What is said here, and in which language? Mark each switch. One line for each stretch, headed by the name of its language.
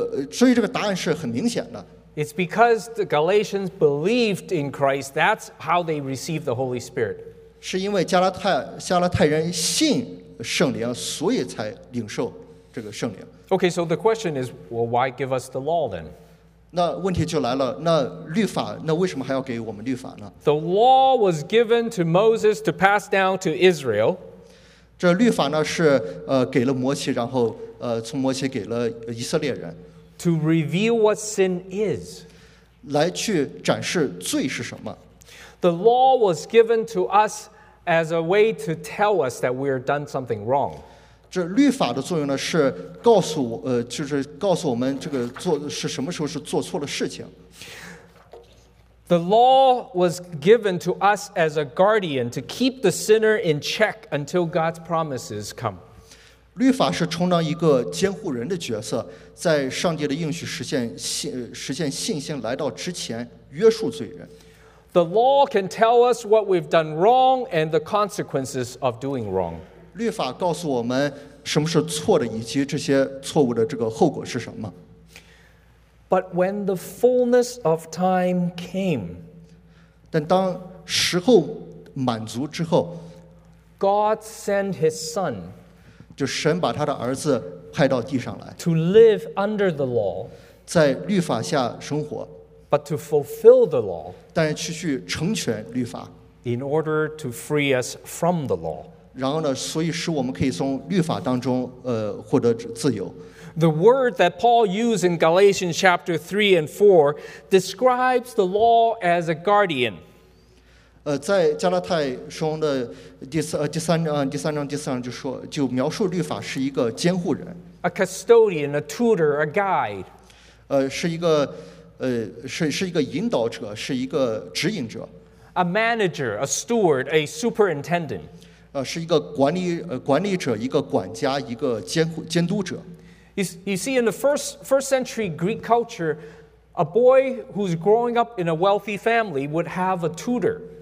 Chinese: 所以这个答案是很明显的。
English: It's because the Galatians believed in Christ, that's how they received the Holy Spirit.
Chinese: 是因为加拉太人信圣灵，所以才领受这个圣灵。
English: Okay, so the question is, well, why give us the law then?
Chinese: 那问题就来了，那律法，那为什么还要给我们律法呢？
English: The law was given to Moses to pass down to Israel.
Chinese: 这律法呢是给了摩西，然后从摩西给了以色列人。
English: To reveal what sin is.
Chinese: 来去展示罪是什么。
English: The law was given to us as a way to tell us that we are done something wrong.
Chinese: 这律法的作用呢，是告诉我，就是告诉我们这个做是什么时候是做错了事情。
English: The law was given to us as a guardian to keep the sinner in check until God's promises come.
Chinese: 律法是充当一个监护人的角色，在上帝的应许实现信心来到之前约束罪人。
English: The law can tell us what we've done wrong and the consequences of doing wrong.
Chinese: 律法告诉我们什么是错的，以及这些错误的这个后果是什么。
English: But when the fullness of time came,
Chinese: 但当时候满足之后，
English: God sent His Son,
Chinese: 就神把他的儿子派到地上来，
English: to live under the law,
Chinese: 在律法下生活。
English: But to fulfill the law,
Chinese: 但去成全律法，
English: in order to free us from the law.
Chinese: 然后呢，所以使我们可以从律法当中获得自由。
English: The word that Paul used in Galatians chapter 3 and 4 describes the law as a guardian.
Chinese: 在加拉太书的第三章就说，就描述律法是一个监护人，
English: a custodian, a tutor, a guide.
Chinese: 是一个引导者，是一个指引者。
English: A manager, a steward, a superintendent.
Chinese: 是一个管理者，一个管家，一个监督者。
English: You see, in the first century Greek culture, a boy who's growing up in a wealthy family would have a tutor.